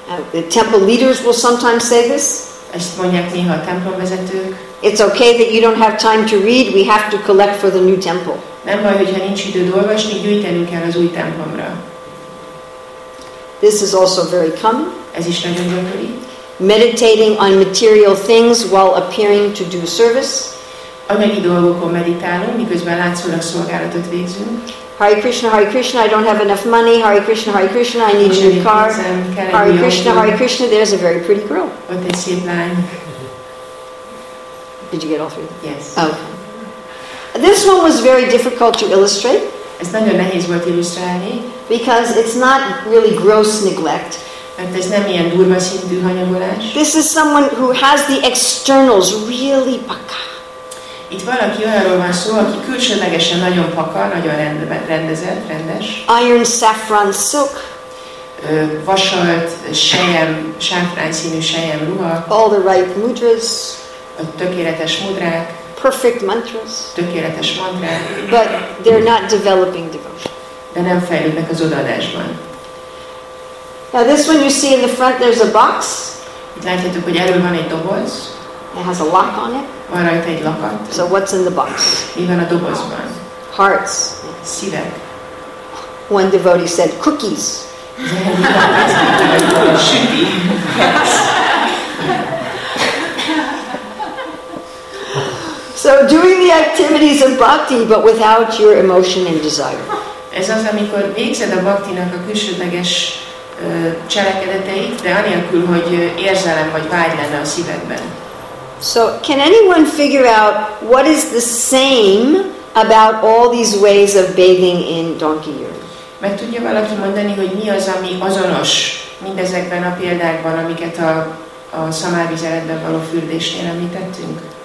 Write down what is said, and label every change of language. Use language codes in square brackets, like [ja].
[en] The temple leaders will sometimes say this. [hu] Ezt mondják néha a templomvezetők. [en] It's okay that you don't have time to read. We have to collect for the new temple. [hu] Nem baj, hogyha nincs időd olvasni, gyűjtenünk kell az új templomra. [en] This is also very common. [hu] Ez is nagyon gyakori. [en] Meditating on material things while appearing to do service. [hu] Anyagi dolgokon meditálunk, miközben látszólag szolgálatot végzünk. [en] Hare Krishna, I don't have enough money. Hare Krishna, Hare Krishna, I need a new car. Hare Krishna, there's a very pretty girl. What they see in Did you get all three? Yes. Okay. This one was very difficult to illustrate. [hu] Ez nagyon nehéz volt illusztrálni. [en] Because it's not really gross neglect. [hu] Mert ez nem ilyen durva szintű hanyagolás. [en] This is someone who has the externals really paka. [hu] Itt valaki olyanról van szó, aki külsőlegesen nagyon paka, nagyon rendezett, rendes. [en] Iron saffron silk. [hu] Vasalt, sejem, sáfrány színű sejem ruha. [en] All the right mudras. [hu] A tökéletes mudrák. [en] Perfect mantras. [hu] Tökéletes mantrák. [en] But they're not developing devotion. [hu] De nem fejlődnek az odaadásban. [en] Now this one you see in the front, there's a box. [hu] Itt láthatjuk, hogy erről van egy doboz. [en] It has a lock on it. [hu] Van rajta egy lakat. [en] So what's in the box? [hu] Mi van a dobozban? [en] Hearts. [hu] Szívek. [en] One devotee said, cookies. [hu] Süti. [en] So doing the activities of bhakti, but without your emotion and desire. [hu] Ez az, amikor végzed a bhaktinak a külsődleges cselekedeteit, de anélkül, hogy érzelem vagy vágy lenne a szívedben. [en] So can anyone figure out what is the same about all these ways of bathing in donkey urine? [hu] Meg tudja valaki mondani, hogy mi az, ami azonos mindezekben a példákban, amiket a szamárvizeletben való fürdésnél említettünk?